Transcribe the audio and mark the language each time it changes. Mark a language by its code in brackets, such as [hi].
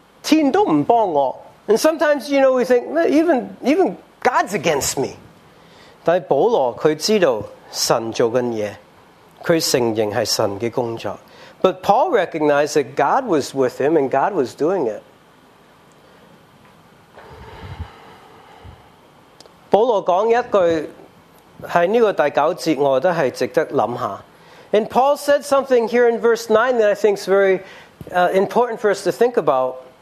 [en] And sometimes, you know, we think, even God's against me. [zh] 但保罗他知道神做的事。 [en] But Paul recognized that God was with him and God was doing it. [zh] 保罗讲一句,在这个第九节,我觉得是值得想一下。 [en] And Paul said something here in verse 9 that I think is very important for us to think about.